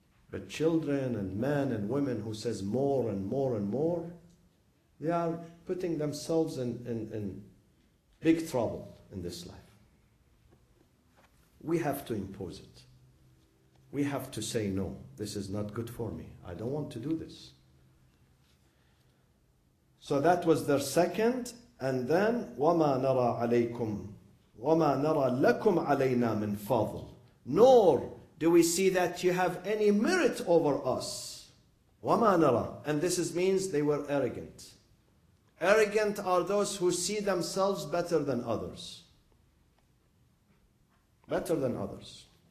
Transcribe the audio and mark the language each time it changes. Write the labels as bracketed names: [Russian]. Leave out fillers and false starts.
[English] But children and men and women who says more and more and more, they are putting themselves in big trouble in this life. We have to impose it. We have to say, no, this is not good for me. I don't want to do this. So that was their second. And then, [Arabic] وَمَا نَرَى عَلَيْكُمْ وَمَا نَرَى لَكُمْ عَلَيْنَا مِنْ فَضْلٍ. [English] Nor do we see that you have any merit over us. [Arabic] وَمَا نَرَى. [English] And this is, means they were arrogant. Arrogant are those who see themselves better than others. Better than others.